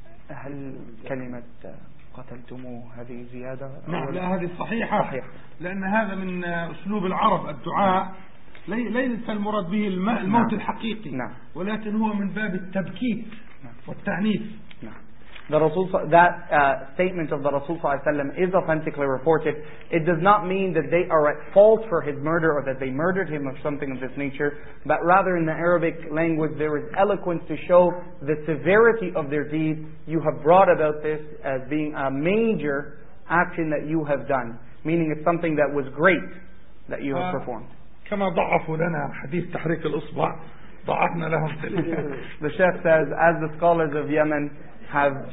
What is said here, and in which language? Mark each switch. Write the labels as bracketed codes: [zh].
[ar] هل كلمة قتلتموا هذه زيادة؟ نعم لا هذه صحيحة صحيح. لأن هذا من أسلوب العرب الدعاء ليس المراد به الموت نعم. الحقيقي نعم. ولكن هو من باب التبكيت نعم. والتعنيف [en] The Rasul, that statement of the Rasul صلى الله عليه وسلم is authentically reported. It does not mean that they are at fault for his murder or that they murdered him or something of this nature, but rather in the Arabic language there is eloquence to show the severity of their deed. You have brought about this as being a major action that you have done, meaning it's something that was great that you have performed. [ar] كما ضعفوا لنا حديث تحريك الأصبع ضعفنا لهم. [en] The chef says, as the scholars of Yemen have